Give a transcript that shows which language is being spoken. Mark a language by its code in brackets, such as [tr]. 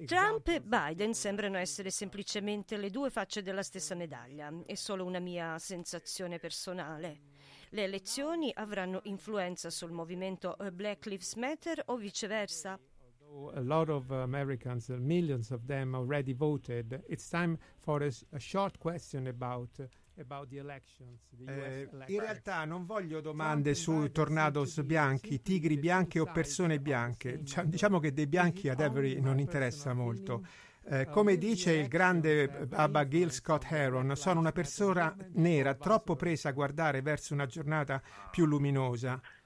[it] Trump e Biden sembrano essere semplicemente le due facce della stessa medaglia. È solo una mia sensazione personale. Le elezioni avranno influenza sul movimento Black Lives Matter o viceversa? [en] A lot of Americans, millions of them, already voted. It's time for a short question about. About the elections, the US elections. [it] In realtà non voglio domande su tornados bianchi, tigri bianchi o persone bianche. Diciamo che dei bianchi ad Avery non interessa molto. Come dice il grande Baba Gil Scott Heron, sono una persona nera troppo presa a guardare verso una giornata più luminosa.